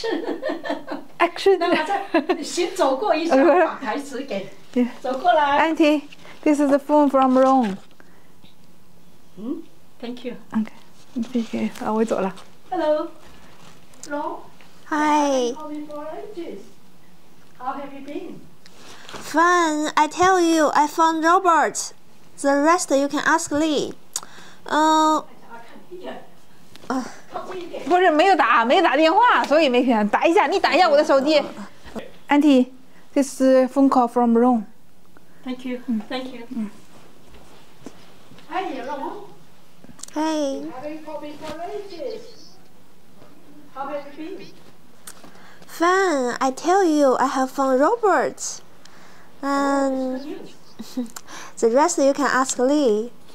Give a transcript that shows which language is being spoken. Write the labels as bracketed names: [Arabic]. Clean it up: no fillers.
[Chinese] 我走一下。Action！Action！那我再行走过一下，把台词给走过来。Auntie， [English] this is the phone from Rome。 Thank you. Okay. Okay. [Chinese] 啊，我走了。 [English] Hello. Hello. Hi. I've been calling for ages. How have you been? Fine. I tell you, I found Robert. The rest you can ask Lee. Uh. [Chinese] 不是没有打电话，所以没听。打一下，你打一下我的手机。 [English] Auntie, this is a phone call from Rome. Thank you. Thank you. [Chinese] 哎呀，老公。 [English] Hey. How have you been? Fine. I tell you, I have found Robert. And the rest you can ask Lee.